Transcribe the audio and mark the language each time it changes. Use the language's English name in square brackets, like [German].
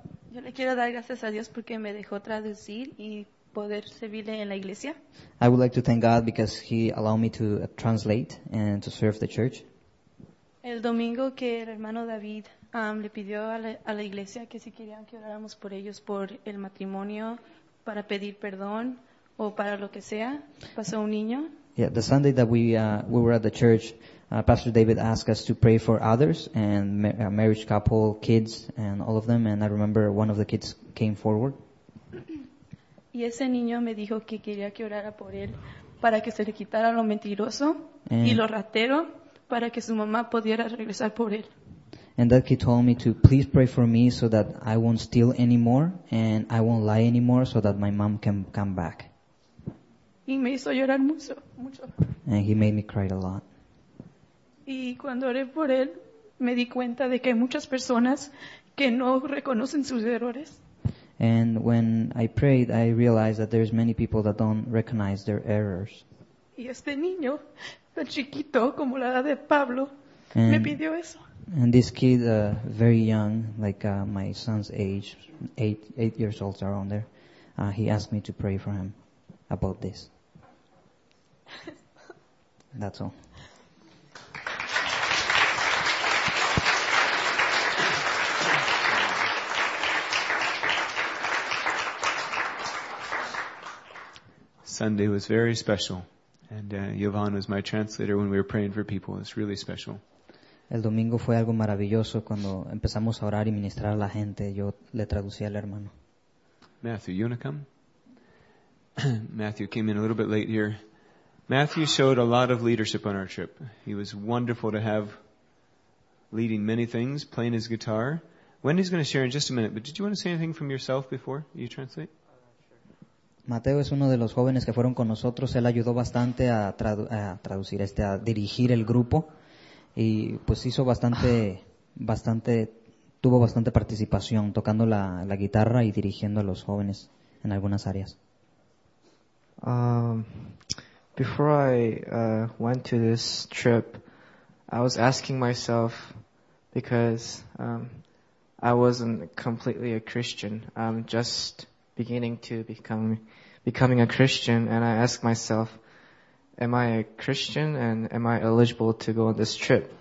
[Spanish] Yo le quiero dar gracias a Dios porque me dejó traducir y poder servirle en la iglesia. [English] I would like to thank God because he allowed me to translate and to serve the church. [Spanish] El domingo que el hermano David le pidió a la iglesia que si querían que oráramos por ellos, por el matrimonio, para pedir perdón o para lo que sea, pasó un niño. [English] Yeah, the Sunday that we were at the church, Pastor David asked us to pray for others and marriage couple, kids, and all of them. And I remember one of the kids came forward. [Spanish] Y ese niño me dijo que quería que orara por él para que se le quitara lo mentiroso y lo ratero, para que su mamá pudiera regresar por él. [English] And that kid told me to please pray for me so that I won't steal anymore and I won't lie anymore so that my mom can come back. [Spanish] Y me hizo llorar mucho, mucho. [English] And he made me cry a lot. [Spanish] Y cuando oré por él, me di cuenta de que hay muchas personas que no reconocen sus errores. [English] And when I prayed, I realized that there's many people that don't recognize their errors. [Spanish] Y este niño, tan chiquito como la edad de Pablo, me pidió eso. [English] And this kid, very young, like my son's age, eight years old around there, he asked me to pray for him about this. That's all. Sunday was very special, and Yvonne was my translator when we were praying for people. It's really special. [Spanish] El domingo fue algo maravilloso cuando empezamos a orar y ministrar a la gente. Yo le traducí al hermano. [English] Matthew, you want to come? Matthew came in a little bit late here. Matthew showed a lot of leadership on our trip. He was wonderful to have leading many things, playing his guitar. Wendy's going to share in just a minute, but did you want to say anything from yourself before you translate? [Spanish] Mateo es uno de los jóvenes que fueron con nosotros. Él ayudó bastante a traducir, a dirigir el grupo. Y pues hizo tuvo bastante participación tocando la guitarra y dirigiendo a los jóvenes en algunas áreas. [English] Before I went to this trip, I was asking myself, because I wasn't completely a Christian. I'm just beginning to becoming a Christian, and I asked myself, am I a Christian and am I eligible to go on this trip?